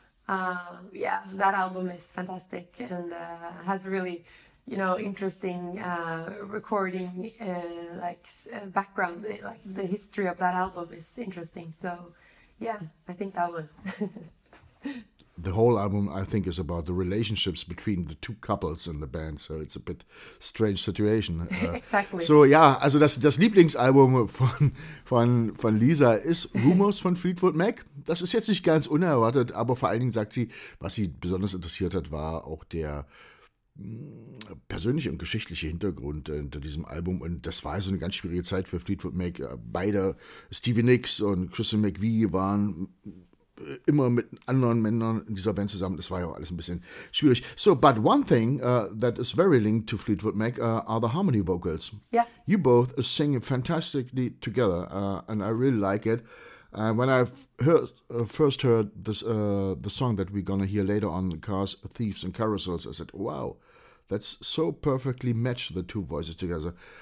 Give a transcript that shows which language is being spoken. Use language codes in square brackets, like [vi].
[en] Yeah, that album is fantastic and has really, you know, interesting recording background. Like the history of that album is interesting. So, yeah, I think that one. The whole album, I think, is about the relationships between the two couples in the band. So it's a bit strange situation. exactly. [de] So ja, also das Lieblingsalbum von Lisa ist Rumors von Fleetwood Mac. Das ist jetzt nicht ganz unerwartet, aber vor allen Dingen sagt sie, was sie besonders interessiert hat, war auch der persönliche und geschichtliche Hintergrund hinter diesem Album. Und das war so eine ganz schwierige Zeit für Fleetwood Mac. Beide, Stevie Nicks und Christian McVie, waren immer mit anderen Männern in dieser Band zusammen. Das war ja auch alles ein bisschen schwierig. [en] So, but one thing that is very linked to Fleetwood Mac are the harmony vocals. Yeah. You both sing fantastically together, and I really like it. When I first heard this the song that we're gonna hear later on, Cars, Thieves and Carousels, I said, wow, that's so perfectly matched, the two voices together.